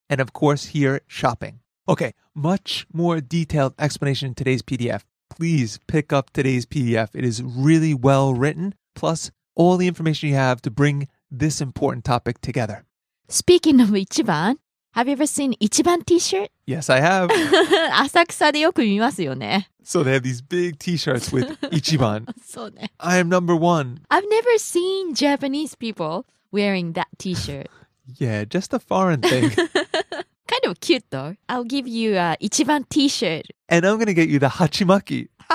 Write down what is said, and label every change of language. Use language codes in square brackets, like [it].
[en] And of course, here, shopping. Okay, much more detailed explanation in today's PDF. Please pick up today's PDF. It is really well written, plus all the information you have to bring this important topic together. Speaking of 一番, have you ever seen 一番 T-shirt? Yes, I have. [ja] 浅草でよく見ますよね。 [en] So they have these big T-shirts with 一番. [ja] そうね。 [en] I am number one. I've never seen Japanese people wearing that T-shirt. Yeah, just a foreign thing. Kind of cute though. I'll give you a 一番 T-shirt. And I'm going to get you the hachimaki.